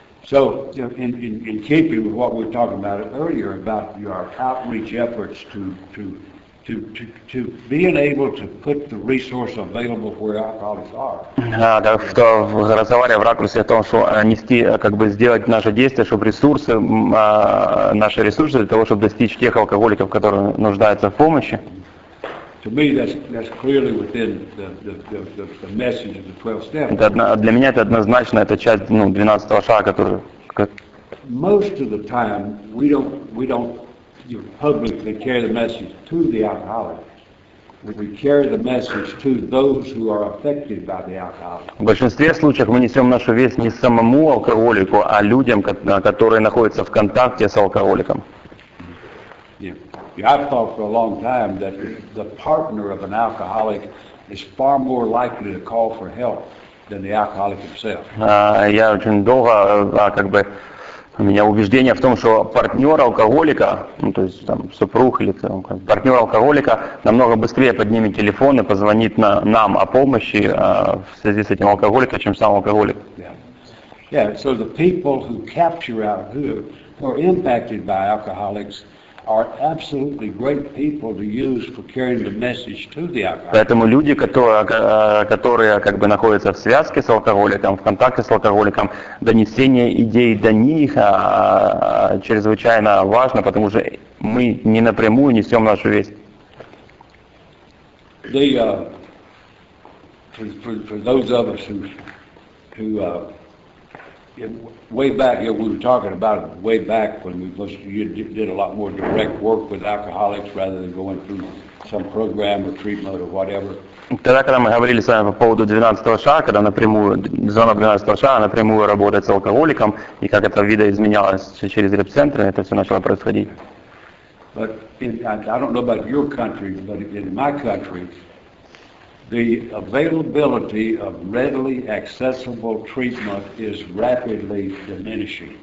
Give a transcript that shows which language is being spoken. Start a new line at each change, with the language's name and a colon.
English: So, in keeping with what we were talking about earlier about your outreach efforts to to being able to put the resource available where alcoholics are.
Russian: Да, что разговаривая в ракурсе о том, что нести, как бы сделать наше действие, чтобы ресурсы, наши ресурсы для того, чтобы достичь тех алкоголиков, которые нуждаются в помощи.
English: To me, that's clearly within the message of the 12 steps.
Russian: Для меня это однозначно, это часть, ну, 12-го шага, который.
English: Most of the time, we don't publicly carry the message to the alcoholic. We carry the message to those who are affected by the alcoholic.
Russian: В большинстве случаев мы несем нашу весть не самому алкоголику, а людям, которые находятся в контакте с алкоголиком.
English: Yeah. I've thought for a long time that the partner of an alcoholic is far more likely to call for help than the alcoholic himself.
Russian: Я очень долго, как бы, у меня убеждение в том, что партнер алкоголика, ну, то есть там супруг или там, партнер алкоголика намного быстрее поднимет телефон и позвонит нам о помощи в связи с этим алкоголиком, чем сам алкоголик.
English: Yeah. Yeah, so the people who capture out, who are impacted by alcoholics are absolutely great people to use for carrying the message to the alcoholic.
Russian: Поэтому люди, которые как бы находятся в связке с алкоголиком, в контакте с алкоголиком, донесение идей до них чрезвычайно важно, потому что мы не напрямую несем нашу весть.
English: The for those of us who way back, you know, we were talking about it way back when you did a lot more direct work with alcoholics rather than going through some program or treatment or whatever.
Russian: Тогда, когда мы говорили с вами по поводу 12-го шага, когда напрямую, зона 12-го шага напрямую работает с алкоголиком, и как это видоизменялось через реп-центры, это все начало происходить.
English: But I don't know about your country, but in my country, the availability of readily accessible treatment is rapidly diminishing.